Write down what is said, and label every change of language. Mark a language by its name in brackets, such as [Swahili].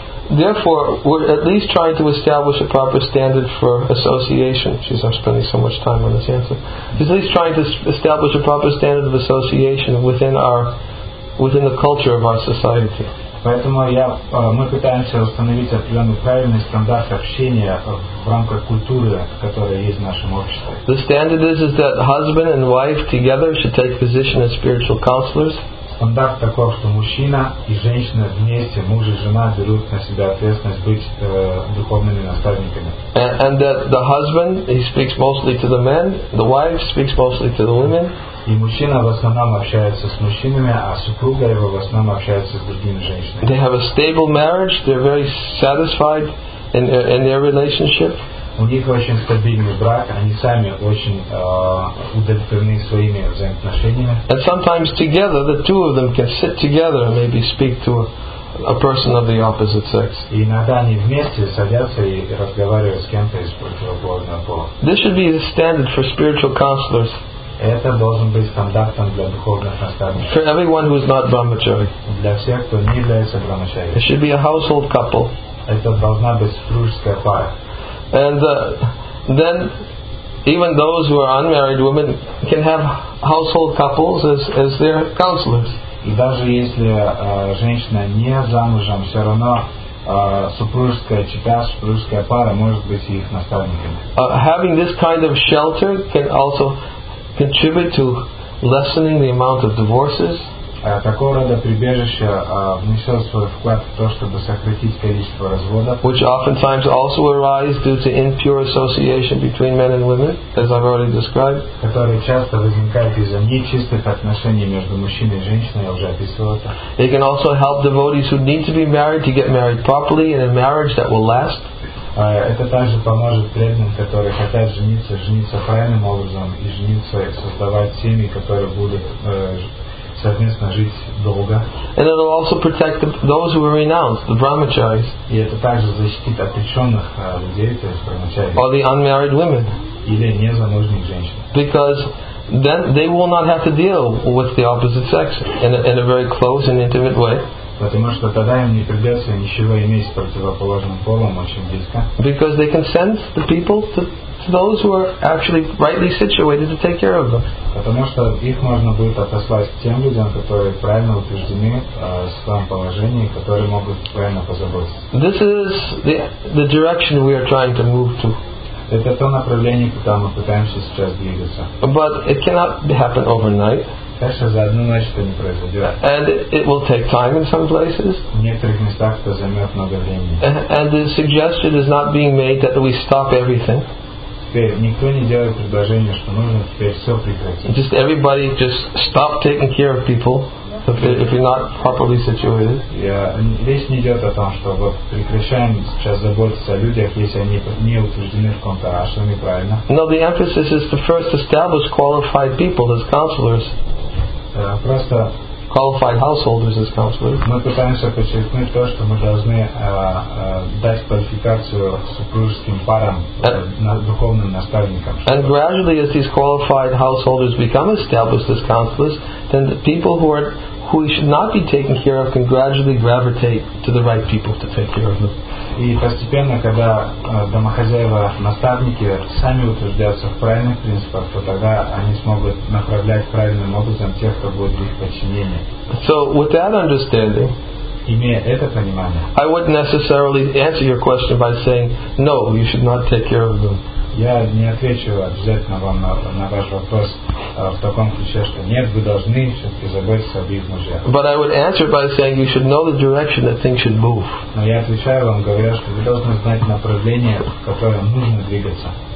[English] And therefore, we're at least trying to establish a proper standard for association. Jeez, I'm spending so much time on this answer. He's at least trying to establish a proper standard of association within our, within the culture of our society. [Russian] Поэтому я, мы пытаемся установить определенный правильный стандарт общения в рамках культуры, которая есть в нашем обществе. [English] The standard is that husband and wife together should take position as spiritual counselors. [Russian] Стандарт таков, что мужчина и женщина вместе, муж и жена, берут на себя ответственность быть духовными наставниками. [English] And that the husband, he speaks mostly to the men, the wife speaks mostly to the women. [Russian] И мужчина в основном общается с мужчинами, а супруга его в основном общается с другими женщинами. [English] They have a stable marriage, they're very satisfied in their relationship. [Russian] У них очень стабильный брак, они сами очень удовлетворены своими взаимоотношениями. [English] And sometimes together, the two of them can sit together and maybe speak to a person of the opposite sex. [Russian] И иногда они вместе садятся и разговаривают с кем-то из противоположного пола. [English] This should be the standard for spiritual counselors. [Russian] Это должен быть стандартом для духовных наставников. [English] For everyone who is not brahmachari. [Russian] Для всех, кто не является брахмачари. [English] It should be a household couple. [Russian] Это должна быть супружеская пара. [English] And then even those who are unmarried women can have household couples as their counselors. [Russian] И даже если женщина не замужем, все равно супружеская чета, супружеская пара может быть их наставниками. [English] Having this kind of shelter can also contribute to lessening the amount of divorces. [Russian] Такого рода прибежище внесет свой вклад в то, чтобы сократить количество разводов. [English] Which oftentimes also arise due to impure association between men and women, as I've already described. [Russian] Которые часто возникают из-за нечистых отношений между мужчиной и женщиной, я уже описывал это. [English] It can also help devotees who need to be married to get married properly in a marriage that will last. [Russian] Это также поможет преданным, которые хотят жениться, жениться правильным образом и жениться, создавать семьи, которые будут совместно жить долго. [English] And it will also protect those who are renounced, the brahmacharis. [Russian] И это также защитит отреченных людей, то есть брахмачари. [English] Or the unmarried women. [Russian] Или незамужних женщин. [English] Because then they will not have to deal with the opposite sex in a very close and intimate way. [Russian] Потому что тогда им не придется ничего иметь с противоположным полом очень близко. [English] Because they can send the people to those who are actually rightly situated to take care of them. [Russian] Потому что их можно будет отослать к тем людям, которые правильно утверждены в своем положении, которые могут правильно позаботиться. [English] This is the direction we are trying to move to. [Russian] Это то направление, куда мы пытаемся сейчас двигаться. [English] But it cannot happen overnight. [Russian] Конечно, за одну ночь это не произойдет. [English] And it will take time in some places. [Russian] В некоторых местах это займет много времени. [English] And the suggestion is not being made that we stop everything. [Russian] Теперь никто не делает предложение, что нужно теперь все прекратить. [English] Just everybody just stop taking care of people if you're not properly situated. [Russian] Yeah, речь не идет о том, что вот прекращаем сейчас заботиться о людях, если они не утверждены в каком-то ашраме, правильно? [English] No, the emphasis is to first establish qualified people as counselors. [Russian] Просто [English] qualified householders as counselors. [Russian] Мы пытаемся подчеркнуть то, что мы должны дать квалификацию супружеским парам, духовным наставникам. [English] And gradually, as these qualified householders become established as counselors, then the people who are who should not be taken care of can gradually gravitate to the right people to take care of them. [Russian] И постепенно, когда домохозяева, наставники сами утверждаются в правильных принципах, то тогда они смогут направлять правильным образом тех, кто будет в их подчинении. [English] So, with that understanding, [Russian] имея это понимание, [English] I wouldn't necessarily answer your question by saying, no, you should not take care of them. [Russian] Я не отвечу обязательно вам на ваш вопрос в таком ключе, что нет, вы должны все-таки заботиться об их муже. [English] But I would answer by saying you should know the direction that things should move. [Russian] Но я отвечаю вам, говоря, что вы должны знать направление, в котором нужно двигаться.